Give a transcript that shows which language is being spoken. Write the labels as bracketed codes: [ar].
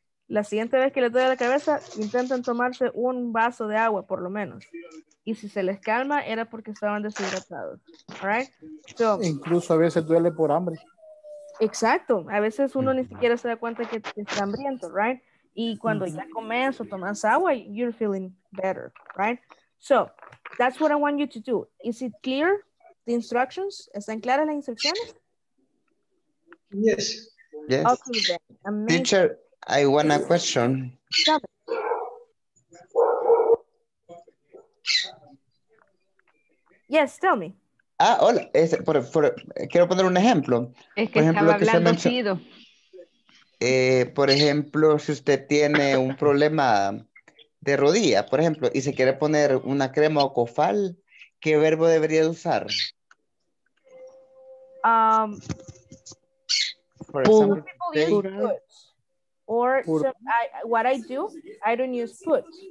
[es] La siguiente vez que les duele la cabeza, intenten tomarse un vaso de agua, por lo menos. Y si se les calma, era porque estaban deshidratados. Right? So, incluso a veces duele por hambre. Exacto. A veces uno ni siquiera se da cuenta que está hambriento. Right? Y cuando ya comes o tomas agua, [en] you're feeling better. [es] Right? [en] So, that's what I want you to do. Is it clear? The instructions? [es] ¿Están claras las instrucciones? [en] Yes. Yes. Okay, then. Amazing. Teacher, I want a question. Yes, tell me. [es] Ah, hola. Quiero poner un ejemplo. Es que ejemplo estaba hablando mencion... chido. Por ejemplo, si usted tiene un problema de rodilla, por ejemplo, y se quiere poner una crema o cofal, ¿qué verbo debería usar? [en] For example, or what I do, I don't use put.